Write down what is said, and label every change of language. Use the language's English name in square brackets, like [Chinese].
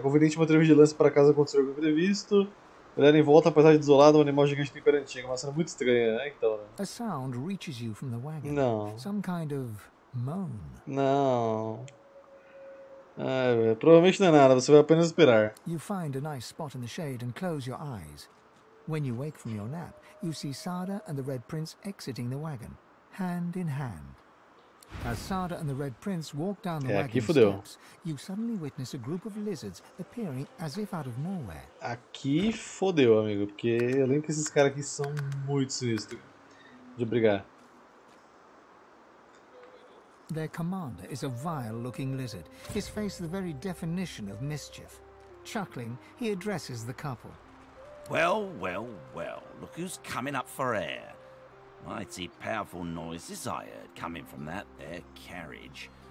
[Portuguese] Conveniente manter vigilância para caso aconteça algo imprevisto. Olhar em volta, apesar de desolado, um animal gigante de pera antiga. Uma cena muito estranha, né? Então, né? [English] A sound reaches you from the wagon. [Portuguese] Não. [English] Some kind of moan. Não. [Portuguese] Ah, provavelmente não é nada, você vai apenas esperar. [English] You find a nice spot in the shade and close your eyes. When you wake from your nap, you see Sada and the Red Prince exiting the wagon, hand in hand. As Sada and the Red Prince walk down the wagon steps, you suddenly witness a group of lizards appearing as if out of nowhere. [Portuguese] Aqui fodeu, amigo, porque eu lembro que esses caras aqui são muito sinistros. De brigar. [English] Their commander is a vile-looking lizard, his face the very definition of mischief. Chuckling, he addresses the couple. Well, well, well, look who's coming up for air. Mighty powerful noises I heard coming from that there carriage.